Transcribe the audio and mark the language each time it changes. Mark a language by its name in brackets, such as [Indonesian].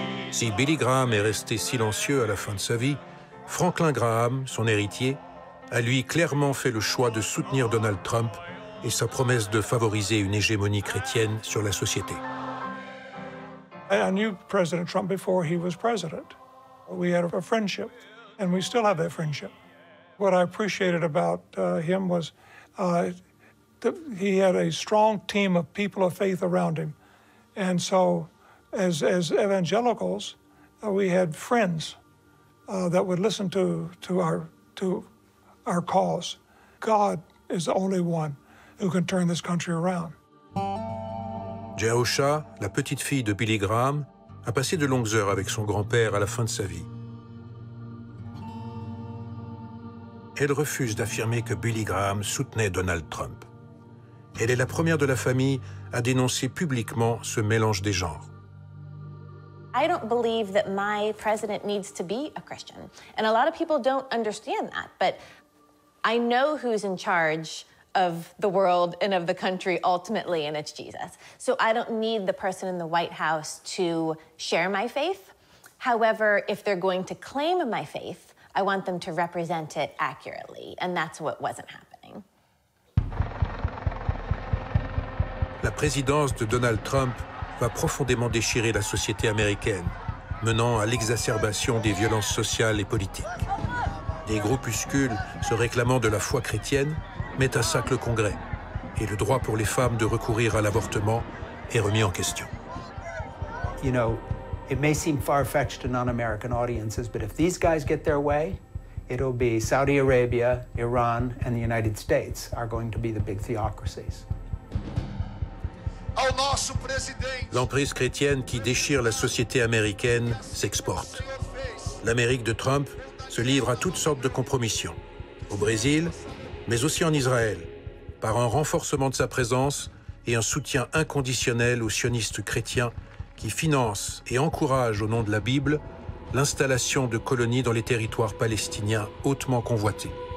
[French] Si Billy Graham est resté silencieux à la fin de sa vie, Franklin Graham, son héritier, a lui clairement fait le choix de soutenir Donald Trump et sa promesse de favoriser une hégémonie chrétienne sur la société. [English] I knew President Trump before he was president. We had a friendship, and we still have that friendship. What I appreciated about him was that he had a strong team of people of faith around him. And so as evangelicals, we had friends that would listen to our cause. God is the only one who can turn this country around. [French] Jerusha, la petite fille de Billy Graham, a passé de longues heures avec son grand-père à la fin de sa vie. Elle refuse d'affirmer que Billy Graham soutenait Donald Trump. Elle est la première de la famille à dénoncer publiquement ce mélange des genres. [English] I don't believe that my president needs to be a Christian. And a lot of people don't understand that, but I know who's in charge of the world and of the country ultimately, and it's Jesus. So I don't need the person in the White House to share my faith. However, if they're going to claim my faith, I want them to represent it accurately, and that's what wasn't happening. [French] La présidence de Donald Trump va profondément déchirer la société américaine, menant à l'exacerbation des violences sociales et politiques. Des groupuscules se réclamant de la foi chrétienne mettent à sac le Congrès, et le droit pour les femmes de recourir à l'avortement est remis en question. [English] You know, it may seem far-fetched to non-American audiences, but if these guys get their way, it'll be Saudi Arabia, Iran, and the United States are going to be the big theocracies. [French] L'emprise chrétienne qui déchire la société américaine s'exporte. L'Amérique de Trump se livre à toutes sortes de compromissions, au Brésil, mais aussi en Israël, par un renforcement de sa présence et un soutien inconditionnel aux sionistes chrétiens qui financent et encouragent au nom de la Bible l'installation de colonies dans les territoires palestiniens hautement convoités.